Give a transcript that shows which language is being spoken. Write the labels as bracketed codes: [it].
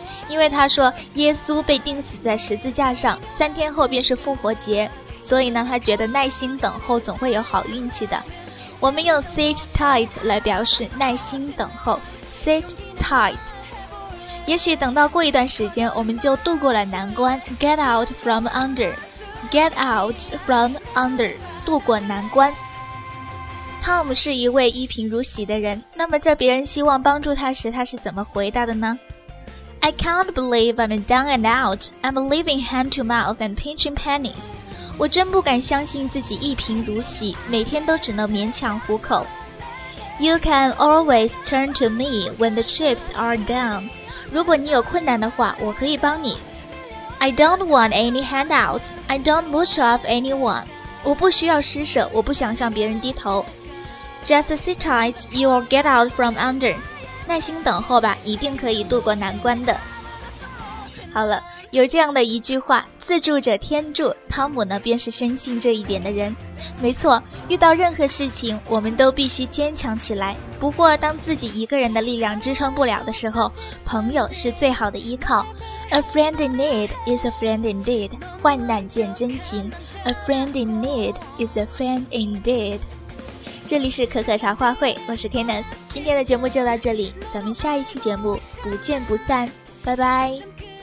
[zh] 因为他说耶稣被钉死在十字架上，三天后便是复活节，所以呢，他觉得耐心等候总会有好运气的。我们用 [en] sit tight [zh] 来表示耐心等候， sit tight。也许等到过一段时间，我们就度过了难关。 [en] get out from under， get out from under， [zh] 度过难关。汤姆是一位一贫如洗的人，那么在别人希望帮助他时，他是怎么回答的呢？ [en] I can't believe I'm down and out. I'm living hand to mouth and pinching pennies. [zh] 我真不敢相信自己一贫如洗，每天都只能勉强糊口。 [en] You can always turn to me when the chips are down. [zh] 如果你有困难的话，我可以帮你。 [en] I don't want any handouts. I don't mooch off anyone. [zh] 我不需要施舍，我不想向别人低头。 [en] Just sit tight, you'll get out from under. [zh] 耐心等候吧，一定可以度过难关的。好了，有这样的一句话，自助者天助，汤姆呢便是深信这一点的人。没错，遇到任何事情，我们都必须坚强起来。不过当自己一个人的力量支撑不了的时候，朋友是最好的依靠。 [en] A friend in need is a friend indeed， [zh] 患难见真情。 [en] A friend in need is a friend indeed。 [zh] 这里是可可茶话会，我是 Kenneth， 今天的节目就到这里，咱们下一期节目不见不散，拜拜。